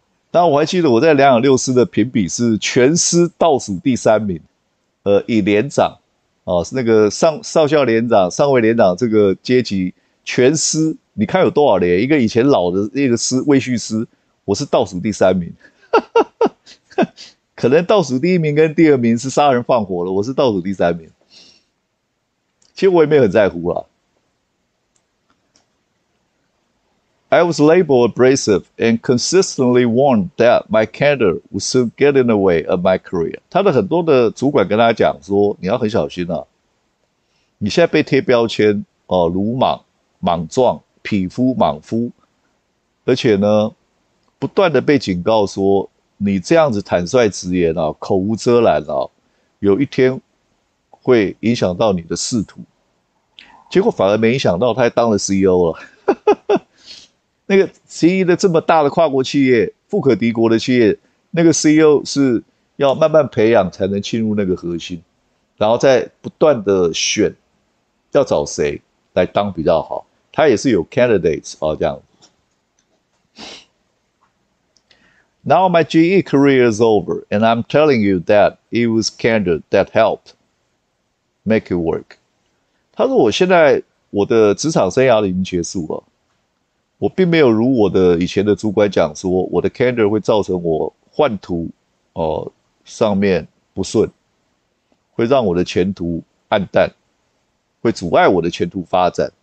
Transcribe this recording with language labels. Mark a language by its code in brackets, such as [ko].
[zh] 当然，我还记得我在2.64的评比是全师倒数第三名，以连长，是那个少校连长、上尉连长这个阶级，全师，你看有多少连？一个以前老的那个师，卫戍师。我是倒数第三名，可能倒数第一名跟第二名是杀人放火了。我是倒数第三名，其实我也没有很在乎啦。 [en] I was labeled abrasive and consistently warned that my candor would soon get in the way of my career。 [zh] 他的很多的主管跟他讲说，你要很小心啊，你现在被贴标签哦，鲁莽、莽撞、匹夫、莽夫，而且呢。不断的被警告说，你这样子坦率直言啊，口无遮拦啊，有一天会影响到你的仕途。结果反而没影响到，他还当了 CEO 了。那个 GE 的这么大的跨国企业，富可敌国的企业，那个 CEO 是要慢慢培养才能进入那个核心，然后再不断的选，要找谁来当比较好。他也是有 candidates 啊，这样。 [en] Now my GE career is over, and I'm telling you that it was candor that helped make it work. [zh] 他说："我现在我的职场生涯已经结束了，我并没有如我的以前的主管讲说，我的 candor 会造成我幻途，上面不顺，会让我的前途暗淡，会阻碍我的前途发展。